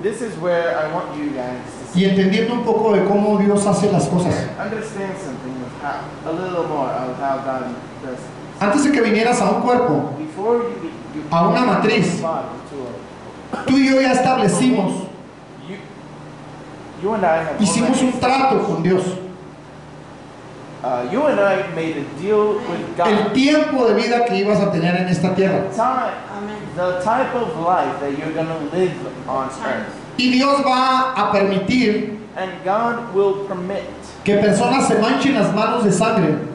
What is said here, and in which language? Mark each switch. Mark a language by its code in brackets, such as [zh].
[en] This is where I want you guys to see. [es] Y entendiendo un poco de cómo Dios hace las cosas. [en] Understand something of how, a little more of how God does. [es] Antes de que vinieras a un cuerpo, [en] before you [es] a una matriz, tú y yo ya establecimos. [en] You and I have [es] hicimos un trato con Dios. [en] You and I made a deal with God. [es] El tiempo de vida que ibas a tener en esta tierra. [en] The type of life that you're going to live on earth. [es] Y Dios va a permitir [en] and God will permit [es] que personas se manchen las manos de sangre.